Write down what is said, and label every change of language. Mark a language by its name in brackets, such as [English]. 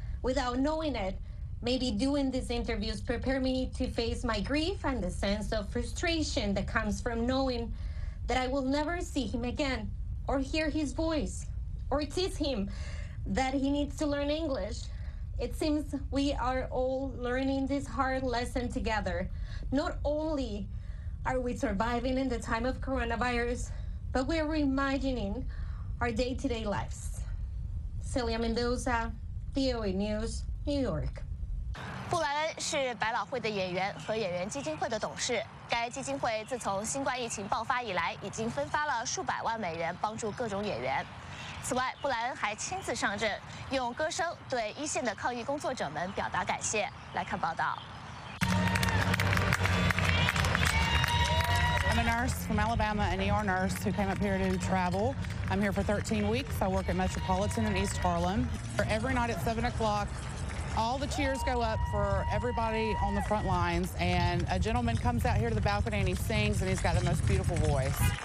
[English] Without knowing it, maybe doing these interviews prepare me to face my grief and the sense of frustration that comes from knowingthat I will never see him again, or hear his voice, or tease him that he needs to learn English. It seems we are all learning this hard lesson together. Not only are we surviving in the time of coronavirus, but we are reimagining our day-to-day lives. Celia Mendoza, VOA News, New York. [Chinese] 布莱恩是百老汇的演员和演员基金会的董事。该基金会自从新冠疫情爆发以来，已经分发了数百万美元帮助各种演员。此外，布莱恩还亲自上阵，用歌声对一线的抗疫工作者们表达感谢。来看报道。 [English] I'm a nurse from Alabama, an ER nurse who came up here to travel. I'm here for 13 weeks. I work at Metropolitan in East Harlem. For every night at 7 o'clock. All the cheers go up for everybody on the front lines, and a gentleman comes out here to the balcony and he sings, and he's got the most beautiful voice.